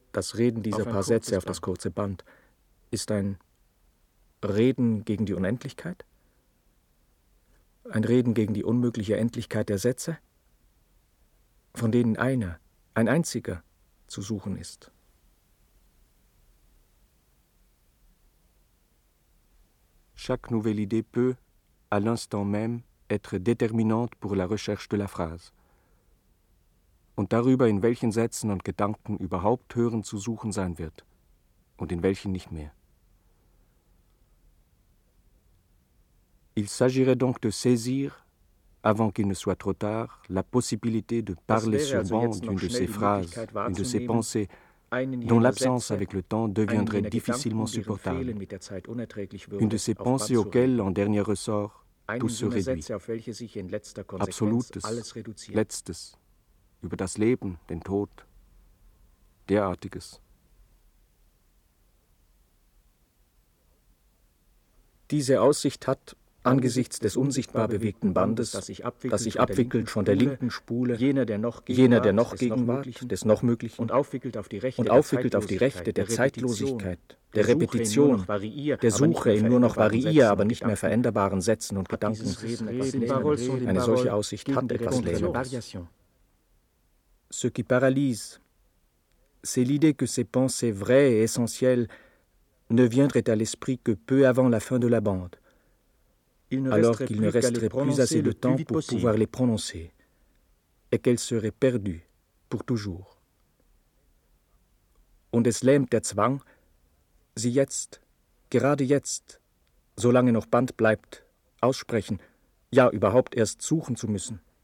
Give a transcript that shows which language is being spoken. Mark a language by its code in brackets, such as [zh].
[de] das Reden dieser paar Sätze auf das kurze Band, ist ein Reden gegen die Unendlichkeit? Ein Reden gegen die unmögliche Endlichkeit der Sätze? Von denen einer, ein einziger, zu suchen ist. [fr] Chaque nouvelle idée peut, à l'instant même, être déterminante pour la recherche de la phrase. [de] Und darüber, in welchen Sätzen und Gedanken überhaupt Hören zu suchen sein wird und in welchen nicht mehr. [fr] Il s'agirait donc de saisir, avant qu'il ne soit trop tard, la possibilité de parler sur bande d'une de ces phrases, une de ces pensées, dont l'absence avec le temps deviendrait difficilement supportable, une de ces pensées auxquelles, en dernier ressort, tout se réduit. [de] Absolutes, letztes, über das Leben, den Tod, derartiges. Diese Aussicht hat, angesichts des unsichtbar bewegten Bandes, das sich abwickelt von der linken Spule, jener, der noch Gegenwart, des noch Möglichen, und aufwickelt auf die Rechte der Zeitlosigkeit, der Repetition, der Suche in nur noch variier, aber nicht mehr veränderbaren Sätzen und Gedanken. Eine solche Aussicht hat etwas Lähmendes. [fr] Ce qui paralyse, c'est l'idée que ces pensées vraies et essentielles ne viendraient à l'esprit que peu avant la fin de la bande, alors qu'il ne resterait plus assez de temps pour pouvoir les prononcer, et qu'elles seraient perdues pour toujours. [de] Und es lähmt der Zwang, sie jetzt, gerade jetzt, solange noch Band bleibt, aussprechen, ja, überhaupt erst suchen zu müssen.